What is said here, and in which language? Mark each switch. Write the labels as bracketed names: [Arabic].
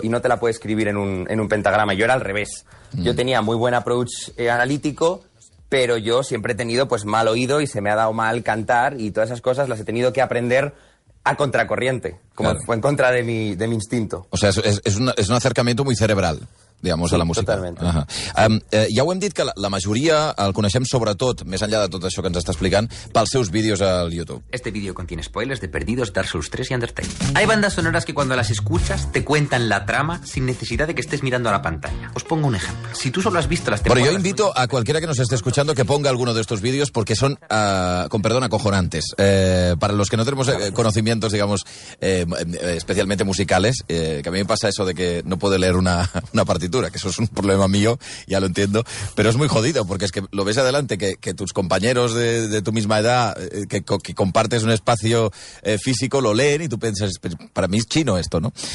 [Spanish] Y no te la puede escribir en un pentagrama. Yo era al revés. Yo tenía muy buen approach analítico, pero yo siempre he tenido pues mal oído y se me ha dado mal cantar y todas esas cosas las he tenido que aprender a contracorriente, como claro. En contra de mi instinto. O sea, es un acercamiento muy cerebral, digamos, sí, a la música. [Catalan] Totalment. Ja ho hem dit, que la majoria el coneixem sobretot, més enllà de tot això que ens està explicant, pels seus vídeos al YouTube. [Spanish] Este vídeo contiene spoilers de Perdidos, Dark Souls 3 y Undertale. Hay bandas sonoras que cuando las escuchas te cuentan la trama sin necesidad de que estés mirando a la pantalla. Os pongo un ejemplo. Si tú solo has visto las temporadas... Bueno, yo invito a cualquiera que nos esté escuchando que ponga alguno de estos vídeos porque son, con perdón, acojonantes. Para los que no tenemos conocimientos, digamos, especialmente musicales, que a mí me pasa eso de que no puedo leer una partitura, que eso es un problema mío, ya lo entiendo, pero es muy jodido, porque es que lo ves adelante, que tus compañeros de tu misma edad, que compartes un espacio físico, lo leen y tú piensas, para mí es chino esto, ¿no?